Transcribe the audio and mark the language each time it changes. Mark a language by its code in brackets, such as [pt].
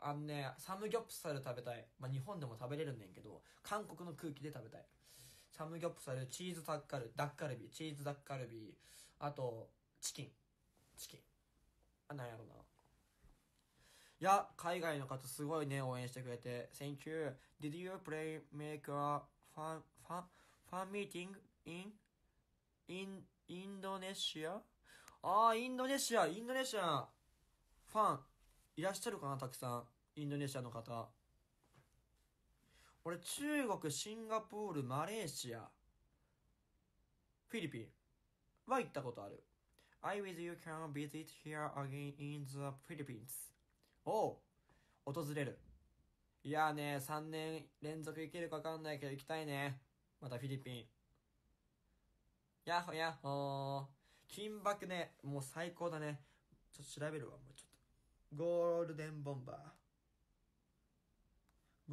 [ja] あのね、サムギョプサル食べたい。まあ、日本でも食べれるんねんけど、韓国の空気で食べたい。サムギョプサル、チーズタッカル、ダッカルビ、チーズダッカルビ、あと、チキン。チキン。あ、なんやろな。いや、海外の方すごいね、応援してくれて。 [en] Thank you. Did you play make a fan meeting in Indonesia? [ja] あー、インドネシア。ファン、いらっしゃるかな、たくさん。インドネシアの方。俺、中国、シンガポール、マレーシア、フィリピンは行ったことある。 [en] I wish you can visit here again in the Philippines. [ja] おう、訪れる。いやーね、3年連続行けるか分かんないけど行きたいね。またフィリピン。やっほやっほー。金箔ね、もう最高だね。ちょっと調べるわ、もうちょっと。ゴールデンボンバー。